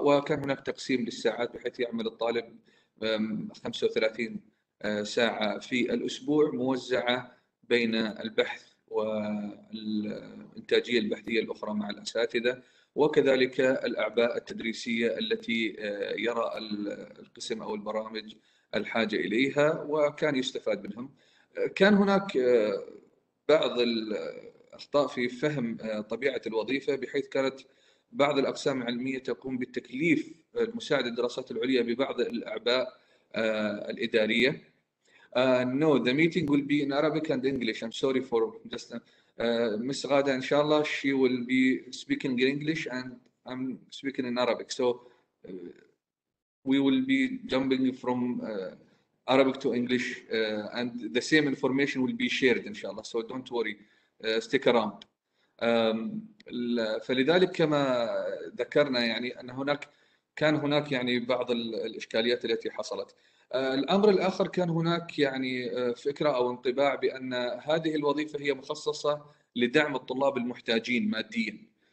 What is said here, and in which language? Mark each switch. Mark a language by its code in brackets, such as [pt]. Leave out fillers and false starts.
[ar] وكان هناك تقسيم للساعات بحيث يعمل الطالب 35 ساعة في الأسبوع موزعة بين البحث والإنتاجية البحثية الأخرى مع الأساتذة، وكذلك الأعباء التدريسية التي يرى القسم أو البرامج الحاجة إليها، وكان يستفاد منهم. كان هناك بعض الأخطاء في فهم طبيعة الوظيفة، بحيث كانت بعض الأقسام العلمية تقوم بتكليف مساعد الدراسات العليا ببعض الأعباء الإدارية. [en] No, the meeting will be in Arabic and English. I'm sorry for just Miss Ghada. Inshallah, she will be speaking in English and I'm speaking in Arabic. So we will be jumping from Arabic to English and the same information will be shared, inshallah. So don't worry, stick around. [ar] فلذلك كما ذكرنا يعني أن هناك يعني بعض الإشكاليات التي حصلت. الأمر الآخر، كان هناك يعني فكرة أو انطباع بأن هذه الوظيفة هي مخصصة لدعم الطلاب المحتاجين ماديا،